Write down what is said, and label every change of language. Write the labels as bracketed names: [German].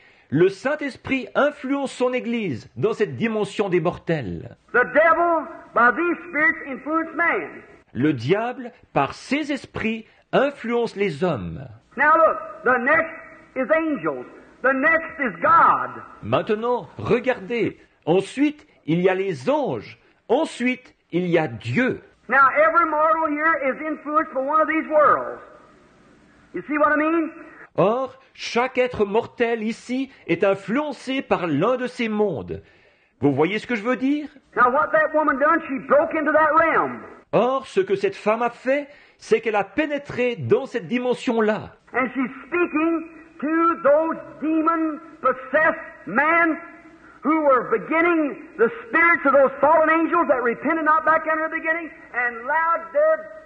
[French] Le Saint-Esprit influence son Église dans cette dimension des mortels. [English] The devil, by these spirits, influences man. [French] Le diable, par ses esprits, influence les hommes. [English] Now look, the next is angels. The next is God. [French] Maintenant, regardez. Ensuite, il y a les anges. Ensuite, il y a Dieu. [English] Now every mortal here is influenced by one of these worlds. You see what I mean? [French] Or, chaque être mortel ici est influencé par l'un de ces mondes. Vous voyez ce que je veux dire? [English] Now, what that woman done, she broke into that realm. [French] Or, ce que cette femme a fait, c'est qu'elle a pénétré dans cette dimension-là. [English] And she's speaking to those demon-possessed men who were beginning the spirits of those fallen angels that repented not back in the beginning and loud dead.